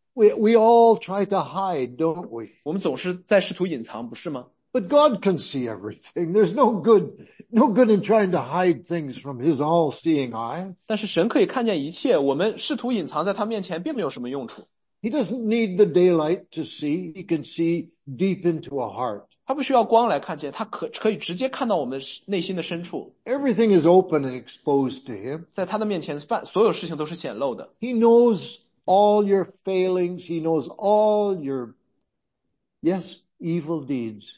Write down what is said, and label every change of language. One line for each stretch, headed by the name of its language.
English: We all try to hide, don't we?
Chinese: 我们总是在试图隐藏，不是吗?
English: But God can see everything. There's no good in trying to hide things from his all-seeing eye.
Chinese: 但是神可以看见一切，我们试图隐藏在他面前并没有什么用处。
English: He doesn't need the daylight to see. He can see deep into our heart.
Chinese: 他不需要光来看见，他可以直接看到我们内心的深处。
English: Everything is open and exposed to him.
Chinese: 在他的面前，所有事情都是显露的。
English: He knows all your failings. He knows all your, yes, evil deeds.